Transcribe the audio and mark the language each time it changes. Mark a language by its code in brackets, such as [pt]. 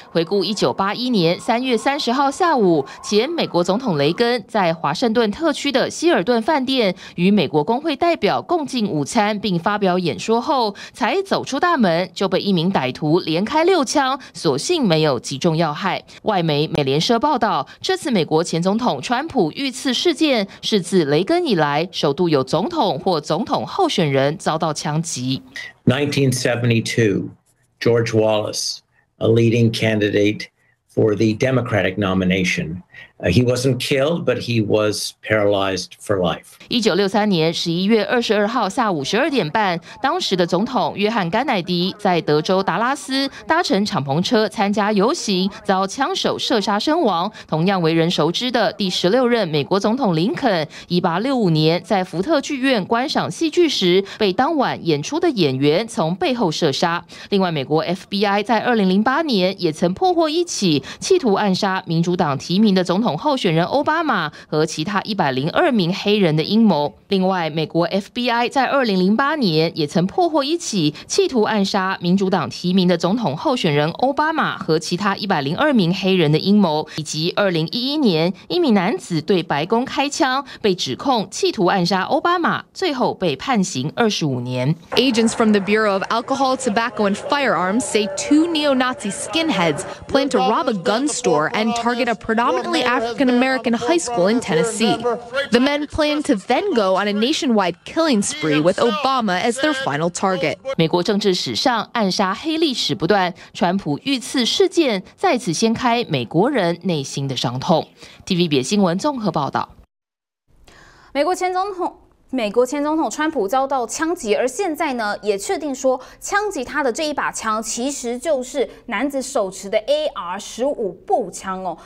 [zh] 回顾1981年3月30号下午，前美国总统雷根在华盛顿特区的希尔顿饭店与美国工会代表共进午餐，并发表演说后，才走出大门就被一名歹徒连开6枪，所幸没有击中要害。外媒美联社报道，这次美国前总统川普遇刺事件是自雷根以来首度有总统或总统候选人遭到枪击。 [en] 1972, George Wallace, a leading candidate for the Democratic nomination. He wasn't killed, but he was paralyzed for life. [zh] 1963年11月22号下午12点半，当时的总统约翰·甘乃迪在德州达拉斯搭乘敞篷车参加游行，遭枪手射杀身亡。同样为人熟知的第16任美国总统林肯，1865年在福特剧院观赏戏剧时，被当晚演出的演员从背后射杀。另外，美国 FBI 在2008年也曾破获一起企图暗杀民主党提名的总统候选人奥巴马和其他102名黑人的阴谋。另外，美国 FBI 在2008年也曾破获一起企图暗杀民主党提名的总统候选人奥巴马和其他102名黑人的阴谋，以及2011年一名男子对白宫开枪，被指控企图暗杀奥巴马，最后被判刑25年。 [en] Agents from the Bureau of Alcohol, Tobacco and Firearms say two neo-Nazi skinheads plan to rob a gun store and target a predominantly African-American high school in Tennessee. The men plan to then go on a nationwide killing spree with Obama as their final target. [zh] 美国政治史上暗杀黑历史不断，川普遇刺事件再次掀开美国人内心的伤痛。 TVBS 新闻综合报道。美国前总统美国前总统川普遭到枪击，而现在呢，也确定说枪击他的这一把枪其实就是男子手持的 AR-15 步枪哦。